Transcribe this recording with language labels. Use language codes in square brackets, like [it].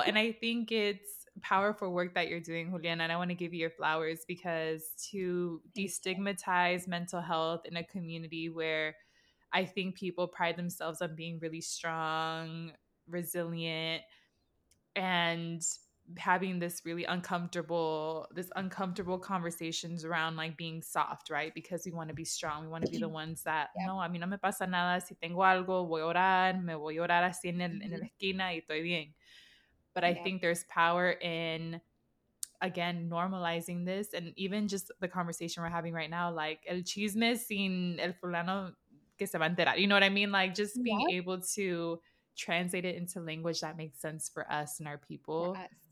[en] And I think it's powerful work that you're doing, Juliana, and I want to give you your flowers, because to destigmatize mental health in a community where I think people pride themselves on being really strong, resilient, and having this uncomfortable conversations around like being soft, right? Because we want to be strong. We want to be the ones that, [es] no, a mí no me pasa nada. Si tengo algo, voy a orar. Me voy a orar así en la esquina y estoy bien. [en] But I think there's power in, again, normalizing this. And even just the conversation we're having right now, like, [es] el chisme sin el fulano, [en] you know what I mean? Like, just being able to translate it into language that makes sense for us and our people. Yes.